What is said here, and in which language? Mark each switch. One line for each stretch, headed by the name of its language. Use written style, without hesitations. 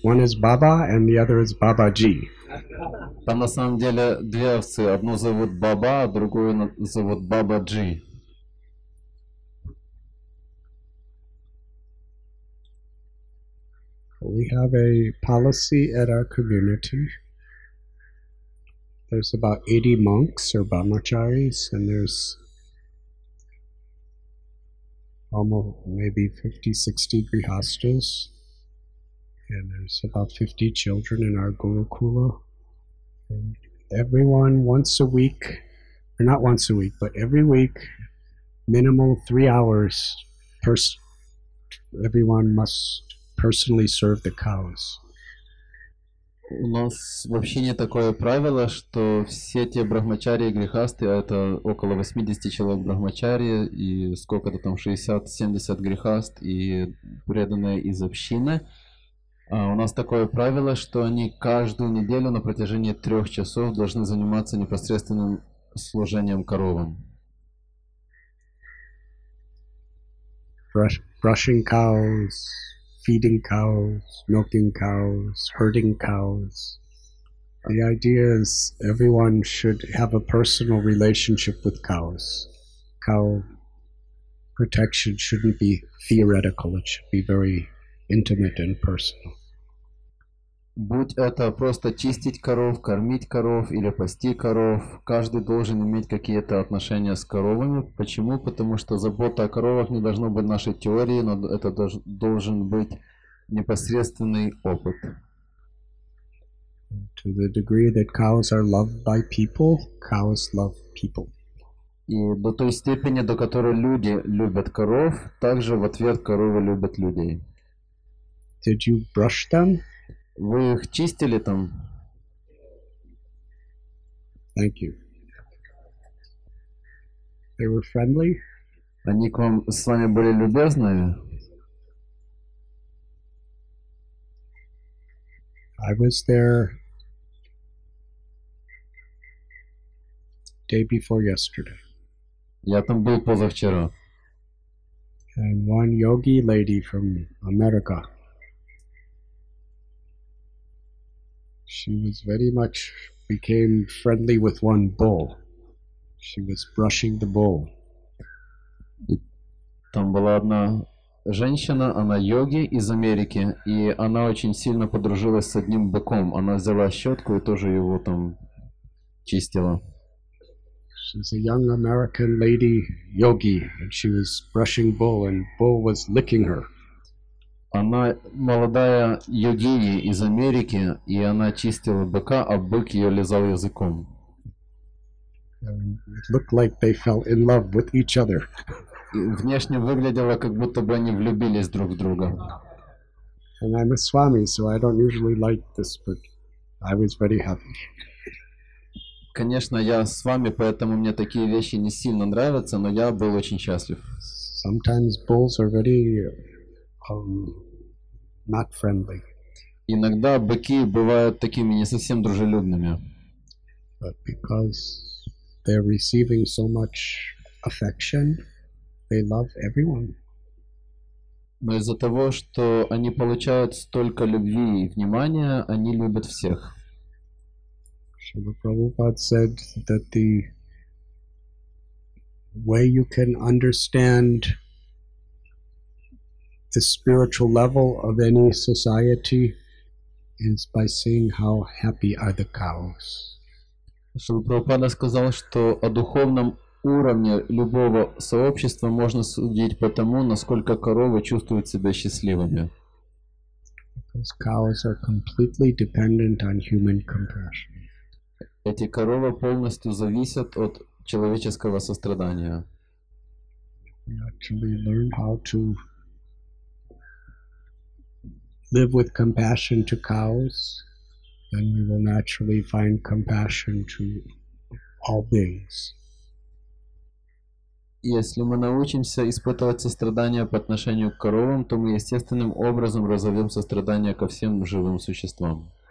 English: One is Baba and the other is Babaji.
Russian: Там на самом деле две овцы. Одну зовут Баба, а другую зовут Бабаджи.
English: We have a policy at our community. There's about 80 monks or brahmacharis, and there's almost maybe 50-60 grihastas, and there's about 50 children in our gurukula. Everyone once a week, or not once a week, but every week, minimal 3 hours, everyone must personally serve the cows.
Russian: У нас вообще не такое правило, что все те брахмачари и грихасты, а это около 80 человек брахмачари и сколько-то там 60-70 грихаст и преданные из общины. У нас такое правило, что они каждую неделю на протяжении 3 часов должны заниматься непосредственным служением коровам.
English: Brushing cows. Feeding cows, milking cows, herding cows. The idea is everyone should have a personal relationship with cows. Cow protection shouldn't be theoretical, it should be very intimate and personal.
Russian: Будь это просто чистить коров, кормить коров или пасти коров, каждый должен иметь какие-то отношения с коровами. Почему? Потому что забота о коровах не должна быть нашей теорией, но это должен быть непосредственный опыт.
English: To the degree that cows are loved by people, cows love people.
Russian: И до той степени, до которой люди любят коров, также в ответ коровы любят людей.
English: Did you brush them?
Russian: Вы их чистили там?
English: Thank you. They were friendly.
Russian: Они к вам с вами были любезные?
English: I was there day before yesterday.
Russian: Я там был позавчера.
English: And one yogi lady from America. She was very much became friendly with one bull. She was brushing the bull.
Russian: Там была одна женщина, она йоги из Америки, и она очень сильно подружилась с одним быком. Она взяла щетку и тоже его там чистила.
English: She was a young American lady yogi, and she was brushing Bull, and Bull was licking her.
Russian: Она молодая йогиня из Америки, и она чистила быка, а бык ее лизал языком.
English: It looked like they fell in love with each other.
Russian: Внешне выглядело, как будто бы они влюбились друг в друга.
English: And I'm a swami, so I don't usually like this, but I was very happy.
Russian: Конечно, я с вами, поэтому мне такие вещи не сильно нравятся, но я был очень счастлив.
English: Sometimes bulls are very not friendly.
Russian: Иногда быки бывают такими не совсем дружелюбными.
English: But because they're receiving so much affection, they love everyone.
Russian: Но из-за того, что они получают столько любви и внимания, они любят всех.
English: Шрила Прабхупада said that the way you can understand the spiritual level of any society is by seeing how happy are the cows.
Russian: Шрила Прабхупада сказал, что о духовном уровне любого сообщества можно судить по тому, насколько коровы чувствуют себя счастливыми.
English: Because cows are completely dependent on human compassion.
Russian: Эти коровы полностью зависят от человеческого сострадания.
English: We actually learn how to live with compassion to cows, then we will naturally find compassion to all beings.
Russian: Если мы научимся испытывать сострадание по отношению к коровам, то мы естественным образом разовьем сострадание ко всем живым существам.